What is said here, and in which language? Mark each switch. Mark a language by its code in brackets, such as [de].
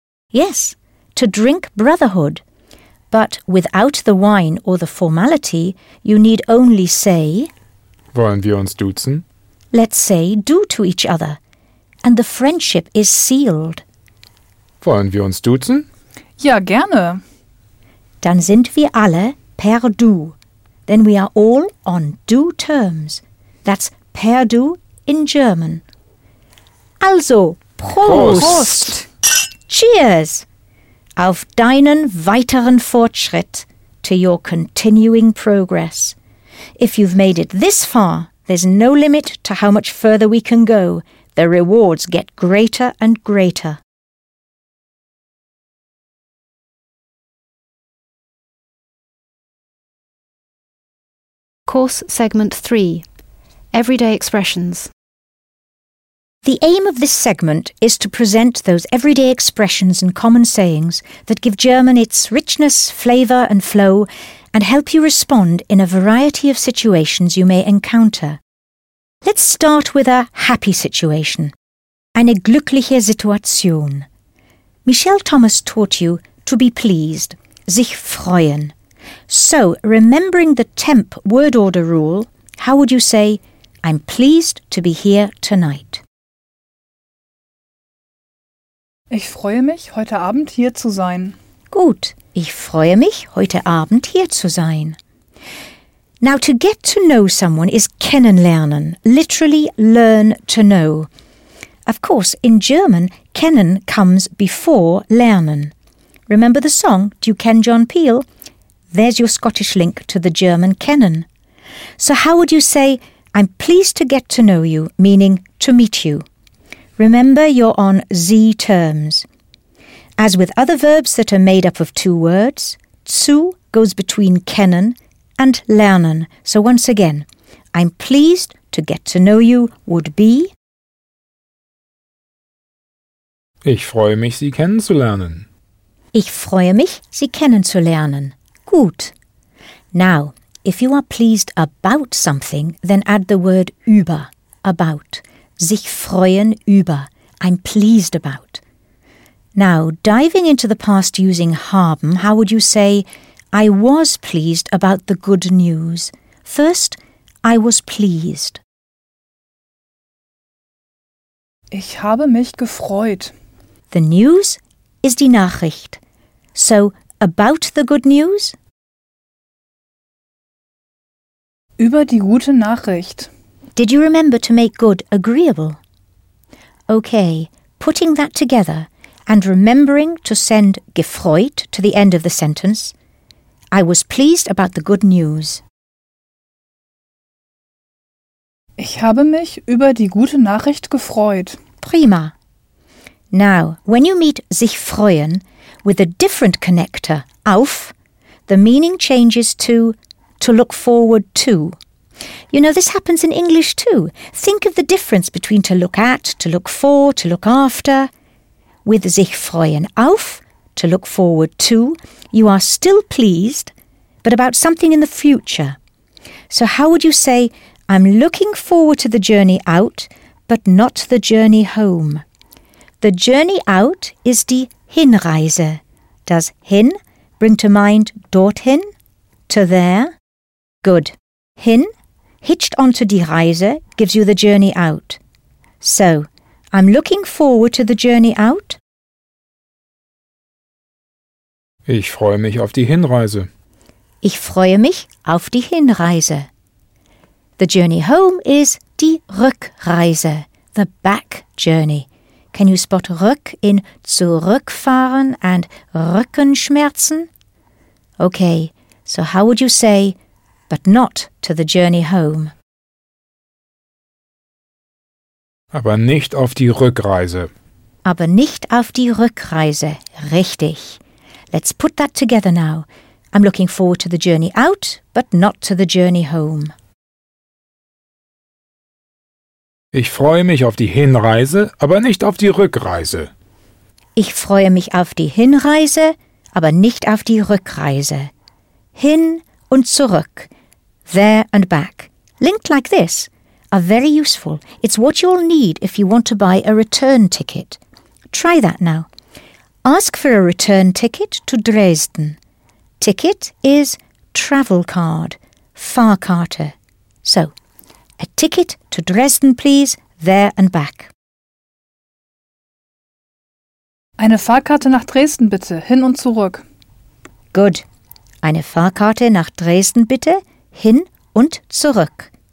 [en] Yes, to drink brotherhood. But without the wine or the formality, you need only say... [de] Wollen wir uns duzen? [en] Let's say du to each other. And the friendship is sealed. [de] Wollen wir uns duzen? Ja, gerne. Dann sind wir alle per du. [en] Then we are all on du terms. That's per du in German. [de] Also, Prost! [en] Cheers! [de] Auf deinen weiteren Fortschritt. [en] to your continuing progress. If you've made it this far, there's no limit to how much further we can go. The rewards get greater and greater. Course Segment 3. Everyday Expressions. The aim of this segment is to present those everyday expressions and common sayings that give German its richness, flavour and flow and help you respond in a variety of situations you may encounter. Let's start with a happy situation. [de] Eine glückliche Situation. [en] Michel Thomas taught you to be pleased, sich freuen. So, remembering the temp word order rule, how would you say, I'm pleased to be here tonight? [de] Ich freue mich, heute Abend hier zu sein. Gut, ich freue mich, heute Abend hier zu sein. [en] Now, to get to know someone is kennenlernen, literally learn to know. Of course, in German, kennen comes before lernen. Remember the song, Do You Ken John Peel? There's your Scottish link to the German kennen. So how would you say, I'm pleased to get to know you, meaning to meet you? Remember, you're on Z terms. As with other verbs that are made up of two words, zu goes between kennen and lernen. So once again, I'm pleased to get to know you would be... [de] Ich freue mich, Sie kennenzulernen. Ich freue mich, Sie kennenzulernen. [en] Gut. Now, if you are pleased about something, then add the word über, about. [de] Sich freuen über. [en] I'm pleased about. Now, diving into the past using haben, how would you say, I was pleased about the good news? First, I was pleased. [de] Ich habe mich gefreut. [en] The news is die Nachricht. So, about the good news? [de] Über die gute Nachricht. [en] Did you remember to make good agreeable? Okay, putting that together and remembering to send gefreut to the end of the sentence, I was pleased about the good news. [de] Ich habe mich über die gute Nachricht gefreut. [en] Prima. Now, when you meet sich freuen with a different connector, auf, the meaning changes to look forward to. You know, this happens in English too. Think of the difference between to look at, to look for, to look after. With sich freuen auf, to look forward to, you are still pleased, but about something in the future. So how would you say, I'm looking forward to the journey out, but not the journey home? The journey out is die Hinreise. Does hin bring to mind dorthin, to there? Good. Hin, hitched onto die Reise, gives you the journey out. So, I'm looking forward to the journey out. [de] Ich freue mich auf die Hinreise. Ich freue mich auf die Hinreise. [en] The journey home is die Rückreise, the back journey. Can you spot Rück in zurückfahren and Rückenschmerzen? Okay, so how would you say, but not to the journey home? [de] Aber nicht auf die Rückreise. Aber nicht auf die Rückreise, richtig. [en] Let's put that together now. I'm looking forward to the journey out, but not to the journey home. [de] Ich freue mich auf die Hinreise, aber nicht auf die Rückreise. Ich freue mich auf die Hinreise, aber nicht auf die Rückreise. Hin und zurück. [en] There and back. Linked like this. Are very useful. It's what you'll need if you want to buy a return ticket. Try that now. Ask for a return ticket to Dresden. Ticket is travel card, Fahrkarte. So, a ticket to Dresden, please, there and back. [de] Eine Fahrkarte nach Dresden, bitte, hin und zurück. [en] Good. [de] Eine Fahrkarte nach Dresden, bitte, hin und zurück.